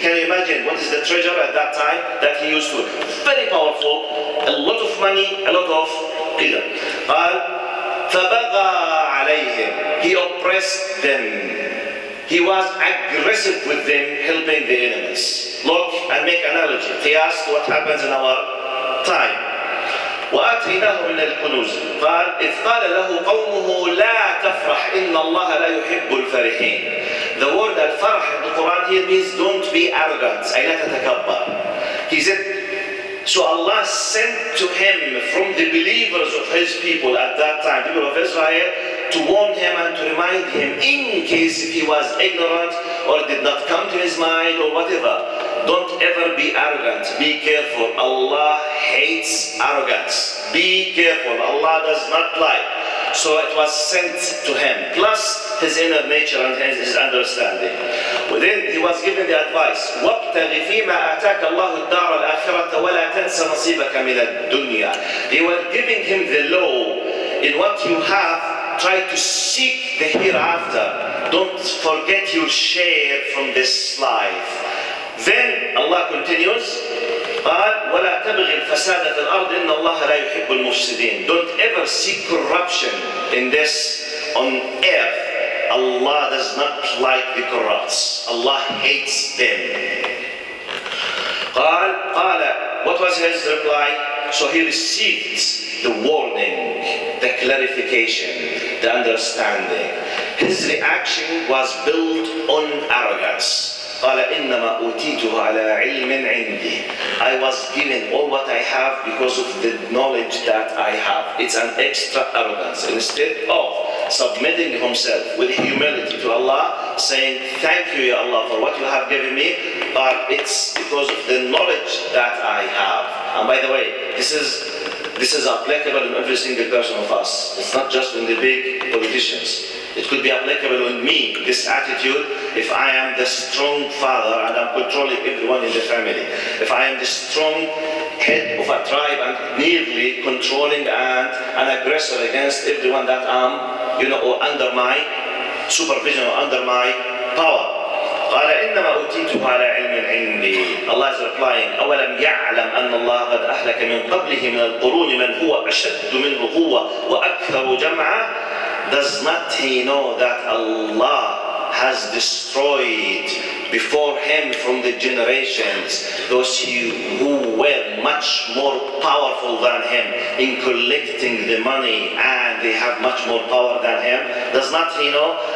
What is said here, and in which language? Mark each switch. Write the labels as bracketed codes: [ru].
[en] Can you imagine what is the treasure at that time that he used to? Very powerful, a lot of money, a lot of qila. [ar] فَبَغَى عَلَيْهِمْ [en] He oppressed them. He was aggressive with them, helping the enemies. Look and make analogy. He asked what happens in our time. [ar] وَآتَيْنَاهُ مِنَ الْكُنُوزِ قال إِذْ قَالَ لَهُ قَوْمُهُ لَا تَفْرَحْ إِنَّ اللَّهَ لَا يُحِبُّ الْفَرِحِينَ [en] The word al-farah in the Quran here means don't be arrogant. [ar] أي لا تتكبر. [en] He said, so Allah sent to him from the believers of his people at that time, people of Israel, to warn him and to remind him in case if he was ignorant or did not come to his mind or whatever. Don't ever be arrogant. Be careful. Allah hates arrogance. Be careful. Allah does not lie. So it was sent to him, plus his inner nature and his understanding. But then he was given the advice, [ar] وَابْتَغِ فِي مَا أَتَاكَ اللَّهُ الدَّارَ الْآخِرَةَ وَلَا تَنْسَ نَصِيبَكَ مِنَ الدُّنْيَا. [en] They were giving him the law in what you have, try to seek the hereafter. Don't forget your share from this life. Then Allah continues, [ar] قال ولا تبغي الفساد في الأرض إن الله لا يحب المفسدين. [en] Don't ever seek corruption in this on earth. Allah does not like the corrupts. Allah hates them. قال what was his reply? So he received the warning, the clarification, the understanding. His reaction was built on arrogance. [ar] قال إنما أوتيته على علم عندي. [en] I was given all what I have because of the knowledge that I have. It's an extra arrogance. Instead of submitting himself with humility to Allah, saying, thank you, Ya Allah, for what you have given me, but it's because of the knowledge that I have. And by the way, this is applicable in every single person of us. It's not just in the big politicians. It could be applicable on me, this attitude, if I am the strong father and I'm controlling everyone in the family. If I am the strong head of a tribe and nearly controlling and an aggressor against everyone that I'm, you know, or under my supervision or under my power. [ar] قال إنما أوتيته على علم عندي. [en] Allah is replying, [ar] أولم يعلم أن الله قد أهلك من قبله من القرون من هو أشد منه قوة وأكثر جمعا. [en] Does not he know that Allah has destroyed before him from the generations those who were much more powerful than him in collecting the money, and they have much more power than him? Does not he know?